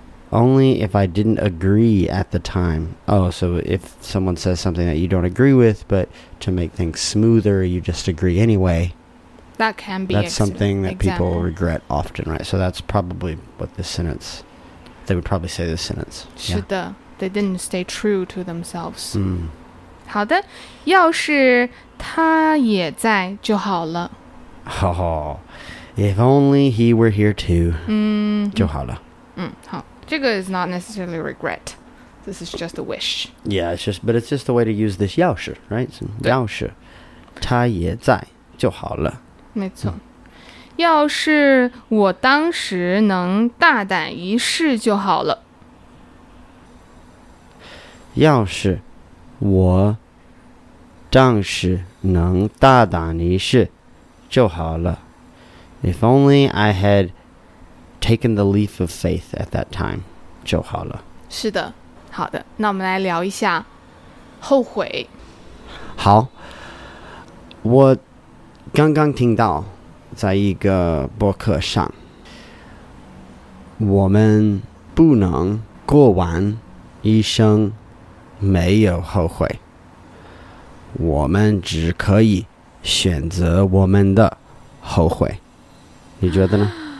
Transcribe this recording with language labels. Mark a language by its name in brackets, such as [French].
[English] Only if I didn't agree at the time. Oh, so if someone says something that you don't agree with, but to make things smoother, you just agree anyway. That can be. That's something that people regret often, right? So that's probably what this sentence, they would probably say this sentence. [Chinese] 是的 [English] they didn't stay true to themselves.、 Mm. [Chinese] 好的要是他也在就好了。 [English] Oh, if only he were here too. 嗯， [Chinese] 就好了。嗯，好。这个 [English] is not necessarily regret. This is just a wish. Yeah, it's just, but it's just a way to use this 钥匙, right? [Chinese] 钥匙他也在就好了。没错。要是我当时能大胆一试就好了。要是我当时能大胆一试就好了。 [English] If only I had taken the leap of faith at that time, [Chinese] 就好了。是的，好的，那我们来聊一下后悔。好，我刚刚听到在一个播客上，我们不能过完一生没有后悔，我们只可以选择我们的后悔，你觉得呢？